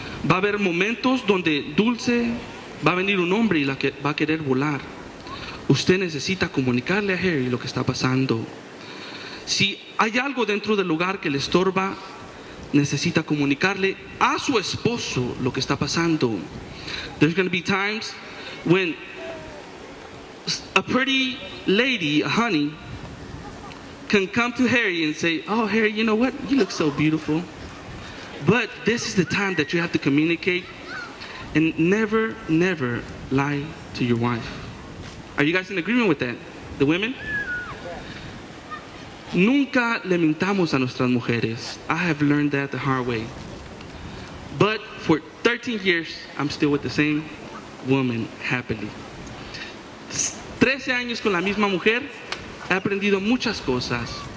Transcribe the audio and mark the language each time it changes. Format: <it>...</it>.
<es>Va a haber momentos donde Dulce va a venir un hombre y la que va a querer volar. Usted necesita comunicarle a Harry lo que está pasando. Si hay algo dentro del lugar que le estorba, necesita comunicarle a su esposo lo que está pasando.</es> <en>There's going to be times when a pretty lady, a honey, can come to Harry and say, oh, Harry, you know what? You look so beautiful. But this is the time that you have to communicate and never, never lie to your wife. Are you guys in agreement with that? The women?</en> <es>Nunca le mintamos a nuestras mujeres.</es> <en>I have learned that the hard way. But for 13 years, I'm still with the same woman, happily.</en> <es>13 años con la misma mujer, he aprendido muchas cosas.</es>